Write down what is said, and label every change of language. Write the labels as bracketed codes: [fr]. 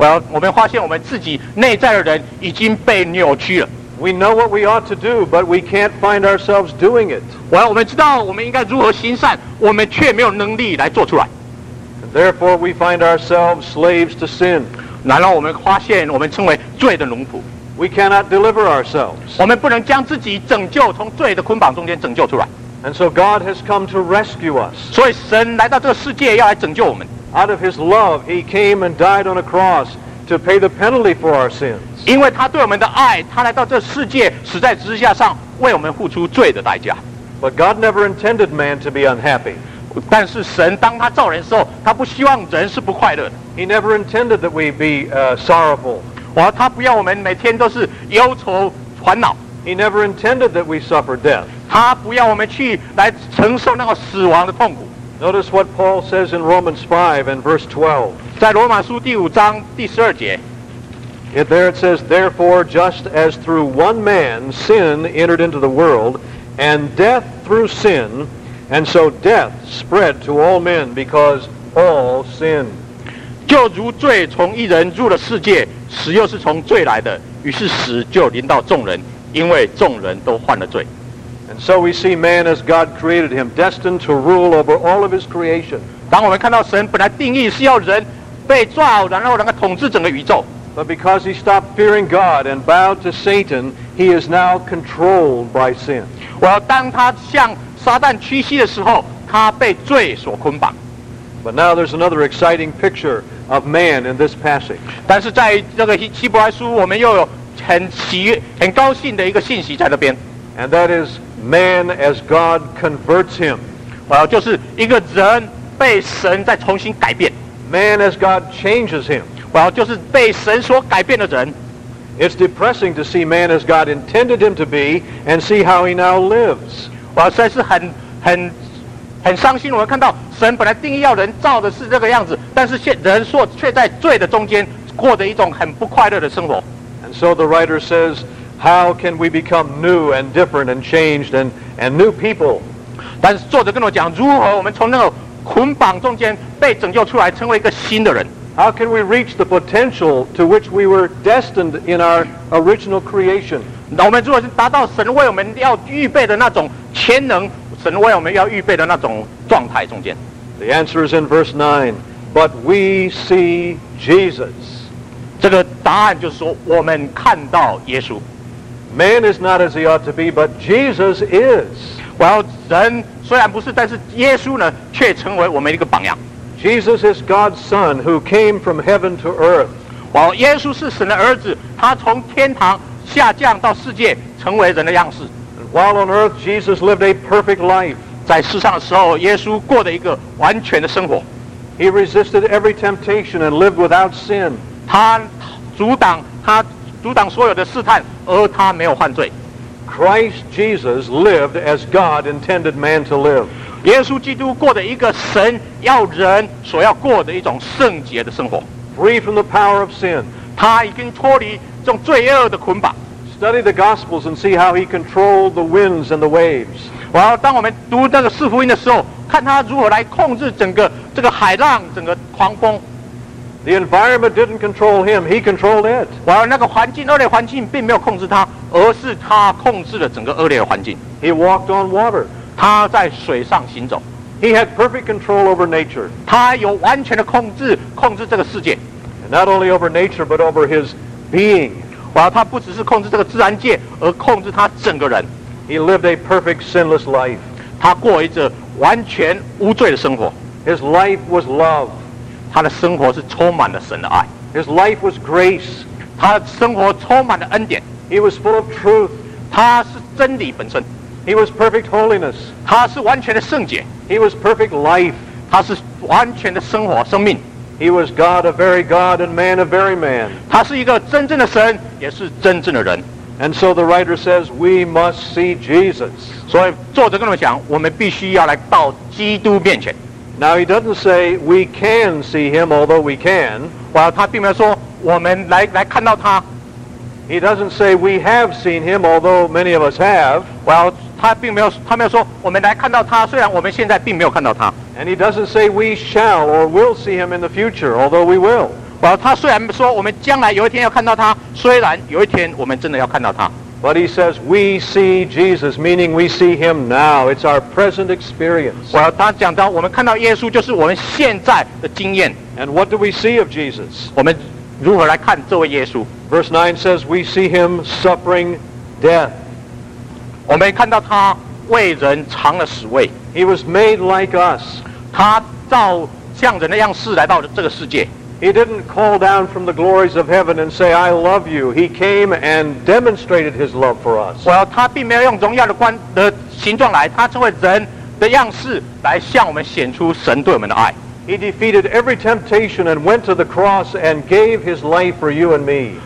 [zh] 我们发现我们自己内在的人已经被扭曲了。 [en] We know what we ought to do, but we can't find ourselves doing it. [zh] 我们知道我们应该如何行善，我们却没有能力来做出来。 [en] Therefore, we find ourselves slaves to sin. [zh] 然后我们发现我们成为罪的奴仆。 [en] We cannot deliver ourselves. [zh] 我们不能将自己拯救，从罪的捆绑中间拯救出来。 [en] And so God has come to rescue us. [zh] 所以神来到这个世界要来拯救我们。 [en] Out of his love, he came and died on a cross. To pay the penalty for our sins. [zh] 因为他对我们的爱，他来到这世界，死在十字架上，为我们付出罪的代价。 [en] But God never intended man to be unhappy. [zh] 但是神当他造人的时候，他不希望人是不快乐的。 [en] He never intended that we be sorrowful. [zh] 他不要我们每天都是忧愁烦恼。 [en] He never intended that we suffer death. [zh] 他不要我们去来承受那个死亡的痛苦。 [en] Notice what Paul says in Romans 5 and verse 12. [zh] 在罗马书第五章第十二节。 [en] There it says, Therefore, just as through one man sin entered into the world, and death through sin, and so death spread to all men because all sin. [zh] 就如罪从一人入了世界，死又是从罪来的，于是死就临到众人，因为众人都犯了罪。 [en] And so we see man as God created him, destined to rule over all of his creation. [zh] 当我们看到神本来定义是要人被造，然后能够统治整个宇宙。 [en] But because he stopped fearing God and bowed to Satan, he is now controlled by sin. [zh] 当他向撒旦屈膝的时候，他被罪所捆绑。 [en] But now there's another exciting picture of man in this passage. [zh] 但是在这个希伯来书，我们又有很高兴的一个信息在那边。 [en] And that is man as God converts him. [zh] 就是一个人被神再重新改变。 [en] Man as God changes him. [zh] 就是被神所改变的人。 [en] It's depressing to see man as God intended him to be and see how he now lives. [zh] 实在是很伤心，我们看到神本来定义要人造的是这个样子，但是人却在罪的中间过着一种很不快乐的生活。 [en] And so the writer says,How can we become new and different and changed and new people? [zh] 但是作者跟我讲，如何我们从那个捆绑中间被拯救出来，成为一个新的人？ [en] How can we reach the potential to which we were destined in our original creation? [zh] 那我们如果是达到神为我们要预备的那种潜能，神为我们要预备的那种状态中间？ [en] The answer is in verse 9. But we see Jesus. [zh] 这个答案就是说，我们看到耶稣。 [en] Man is not as he ought to be, but Jesus is. [zh] 人虽然不是，但是耶稣呢，却成为我们一个榜样。 [en] Jesus is God's Son who came from heaven to earth. [zh] 耶稣是神的儿子，他从天堂下降到世界，成为人的样式。 [en] While on earth, Jesus lived a perfect life. [zh] 在世上的时候，耶稣过了一个完全的生活。 [en] He resisted every temptation and lived without sin. [zh] 他阻挡他阻挡所有的试探，而他没有犯罪。 [en] Christ Jesus lived as God intended man to live. [zh] 耶稣基督过的一个神要人所要过的一种圣洁的生活。 [en] Free from the power of sin. [zh] 他已经脱离这种罪恶的捆绑。 [en] Study the Gospels and see how he controlled the winds and the waves. [zh] 当我们读那个四福音的时候，看他如何来控制整个这个海浪，整个狂风。 [en] The environment didn't control him, he controlled it. [zh] 那个环境，恶劣环境并没有控制他，而是他控制了整个恶劣环境。 [en] He walked on water. [zh] 他在水上行走。 [en] He had perfect control over nature. [zh] 他有完全的控制，控制这个世界。 [en] And not only over nature, but over his being. [zh] 他不只是控制这个自然界，而控制他整个人。 [en] He lived a perfect sinless life. [zh] 他过一着完全无罪的生活。 [en] His life was love. [zh] 他的生活是充满了神的爱。 [en] His life was grace. [zh] 他的生活充满了恩典。 [en] He was full of truth. [zh] 他是真理本身。 [en] He was perfect holiness. [zh] 他是完全的圣洁。 [en] He was perfect life. [zh] 他是完全的生活生命。 [en] He was God, a very God, and man, a very man. [zh] 他是一个真正的神，也是真正的人。 [en] And so the writer says, we must see Jesus. [zh] 所以作者跟我们讲，我们必须要来到基督面前。 [en] Now he doesn't say we can see him, although we can. [zh] 他并没有说我们来看到他。 [en] He doesn't say we have seen him, although many of us have. [zh] 他没有说我们来看到他，虽然我们现在并没有看到他。 [en] And he doesn't say we shall or will see him in the future, although we will. [zh] 他虽然说我们将来有一天要看到他，虽然有一天我们真的要看到他。 [en] But he says, we see Jesus, meaning we see him now. It's our present experience. [zh] 他讲到我们看到耶稣就是我们现在的经验。 [en] And what do we see of Jesus? [zh] 我们如何来看这位耶稣？ [en] Verse 9 says, we see him suffering death. [zh] 我们看到他为人尝了死味。 [en] He was made like us. [zh] 他照像人的样式来到这个世界。 [en] He didn't call down from the glories of heaven and say, I love you. He came and demonstrated his love for us. [zh] 他并没有用荣耀的冠的形状来，他成为人的样式来向我们显出神对我们的爱。 [en] He defeated every temptation and went to the cross and gave his life for you and me.